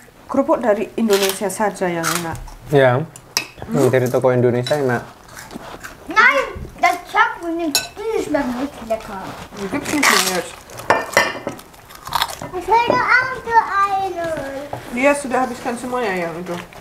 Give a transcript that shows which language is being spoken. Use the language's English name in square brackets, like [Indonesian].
[Indonesian] Kerupuk dari Indonesia saja yang enak. Ya, dari toko Indonesia enak. [German] Nein, das Schaffen ist wirklich lecker. Wie gibt's denn jetzt? Ich will nur auch so einen. [Indonesian] Dia sudah habiskan semuanya yang itu.